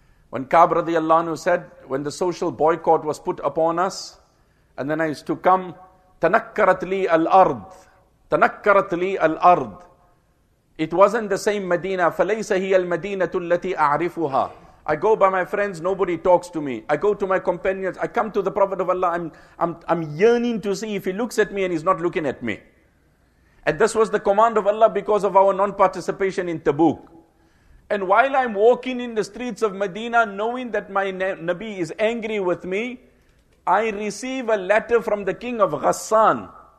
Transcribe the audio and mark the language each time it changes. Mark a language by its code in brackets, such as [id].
[en] When Ka'b radiallahu anhu said, when the social boycott was put upon us, and then I used to come, [ar] tanakkarat li al-ard. تنكرت لي الأرض. [en] It wasn't the same Medina. [ar] فليس هي المدينة التي أعرفها. [en] I go by my friends, nobody talks to me. I go to my companions, I come to the Prophet of Allah, I'm yearning to see if he looks at me, and he's not looking at me. And this was the command of Allah because of our non-participation in Tabuk. And while I'm walking in the streets of Medina, knowing that my Nabi is angry with me, I receive a letter from the king of Ghassan.